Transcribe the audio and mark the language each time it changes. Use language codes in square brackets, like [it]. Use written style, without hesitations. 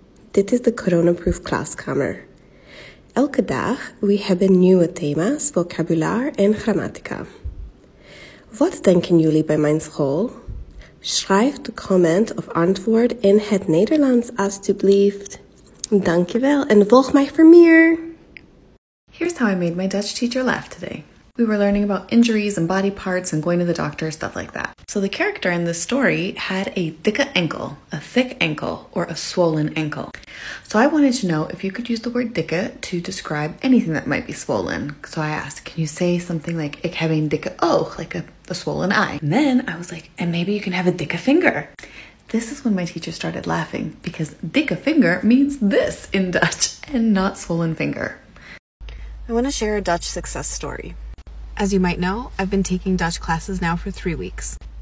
[nl] Dit is de coronaproof klaskamer. Elke dag, we hebben nieuwe thema's, vocabulaire en grammatica. Wat denken jullie bij mijn school? Schrijf de comment of antwoord in het Nederlands alstublieft. Dankjewel en volg mij voor meer! [en] Here's how I made my Dutch teacher laugh today. We were learning about injuries and body parts and going to the doctor, stuff like that. So the character in this story had a dikke ankle, a thick ankle, or a swollen ankle. So I wanted to know if you could use the word dikke to describe anything that might be swollen. So I asked, can you say something like, [nl] ik heb een dikke oog, [en] like a swollen eye? And then I was like, and maybe you can have a dikke finger. This is when my teacher started laughing, because dikke finger means this in Dutch and not swollen finger. I want to share a Dutch success story. As you might know, I've been taking Dutch classes now for 3 weeks.